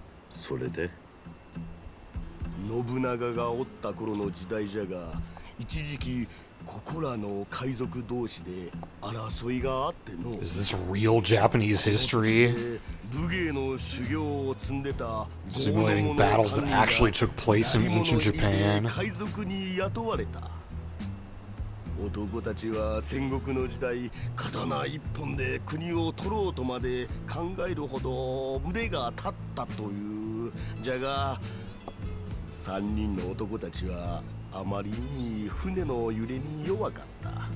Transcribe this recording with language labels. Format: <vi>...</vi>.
<ja>それで？信長がおった頃の時代じゃが、一時期ここらの海賊同士で争いがあっての。</ja> <en>Is this real Japanese history?</en> <ja>武芸の修行を積んでた。</ja> <en>Simulating battles that actually took place in ancient Japan.</en> <ja>海賊に雇われた。男たちは戦国の時代、刀一本で国を取ろうとまで考えるほど腕が立ったという。じゃが三人の男たちはあまりに船の揺れに弱かった。</ja>